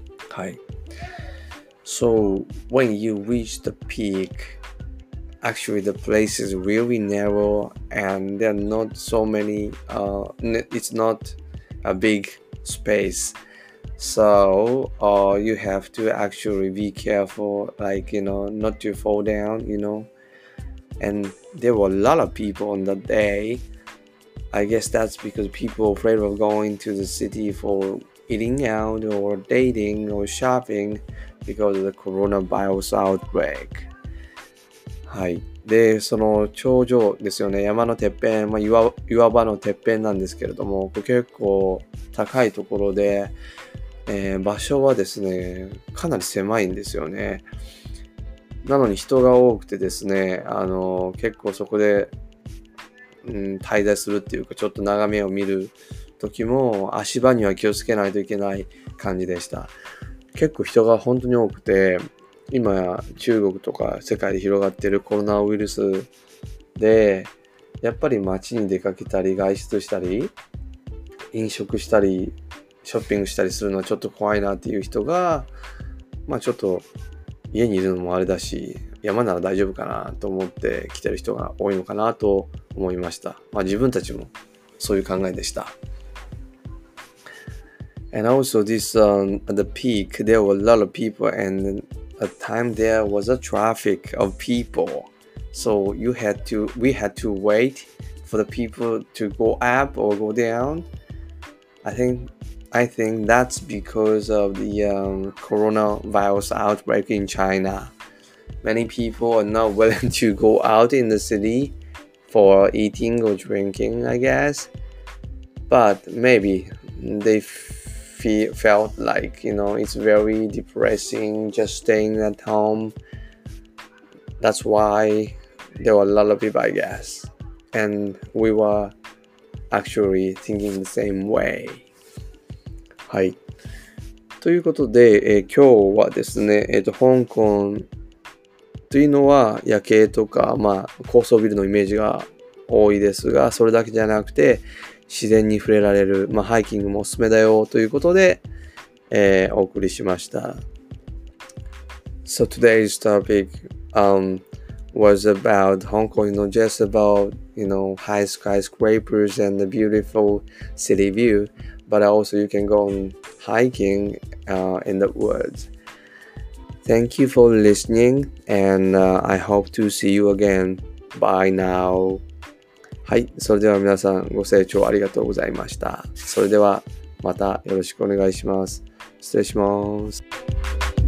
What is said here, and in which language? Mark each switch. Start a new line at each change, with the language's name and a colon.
Japanese: はい。
English: So, when you reach the peak,Actually, the place is really narrow and there are not so many, it's not a big space. So, you have to actually be careful, like, you know, not to fall down, you know. And there were a lot of people on that day. I guess that's because people are afraid of going to the city for eating out or dating or shopping because of the coronavirus outbreak.
Japanese: はい。で、その頂上ですよね。山のてっぺん、まあ、岩場のてっぺんなんですけれども、これ結構高いところで、場所はですね、かなり狭いんですよね。なのに人が多くてですね、結構そこで、滞在するっていうか、ちょっと眺めを見る時も足場には気をつけないといけない感じでした。結構人が本当に多くて、今や中国とか世界で広がっているコロナウイルスで、やっぱり街に出かけたり外出したり飲食したりショッピングしたりするのはちょっと怖いなっていう人が、まあちょっと家にいるのもあれだし、山なら大丈夫かなと思って来てる人が多いのかなと思いました。まあ自分たちもそういう考えでした。
English: And also this, at the peak, there were a lot of people and at time there was a traffic of people. So you had to, we had to wait for the people to go up or go down. I think that's because of the coronavirus outbreak in China. Many people are not willing to go out in the city for eating or drinking, I guess. But maybe they felt like, you know, it's very depressing just staying at home. That's why there were a lot of people, I guess. And we were actually thinking the same way.
Japanese: はい。ということで、今日はですね、香港というのは夜景とか、まあ、高層ビルのイメージが多いですが、それだけじゃなくて、自然に触れられる、まあ、ハイキングもおすすめだよということで、お送りしました。
English: So today's topic, was about Hong Kong, you know, just about, you know, high skyscrapers and the beautiful city view. But also you can go on hiking in the woods. Thank you for listening and I hope to see you again. Bye now.
Japanese: はい、それでは皆さんご清聴ありがとうございました。それではまたよろしくお願いします。失礼します。